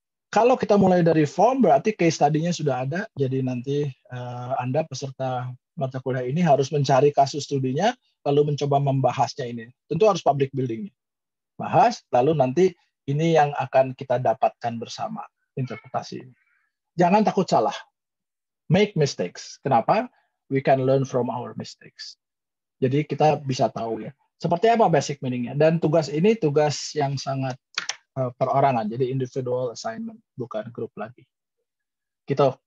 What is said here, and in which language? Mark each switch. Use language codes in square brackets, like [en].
[id] Kalau kita mulai dari form, berarti case study-nya sudah ada, jadi nanti Anda peserta mata kuliah ini harus mencari kasus studinya, lalu mencoba membahasnya ini. Tentu harus public building-nya. Bahas, lalu nanti ini yang akan kita dapatkan bersama, interpretasi ini. Jangan takut salah. [en] Make mistakes. [id] Kenapa? [en] We can learn from our mistakes. [id] Jadi kita bisa tahu ya. Seperti apa basic meaning-nya. Dan tugas ini tugas yang sangat perorangan, jadi individual assignment, bukan grup lagi. Gitu.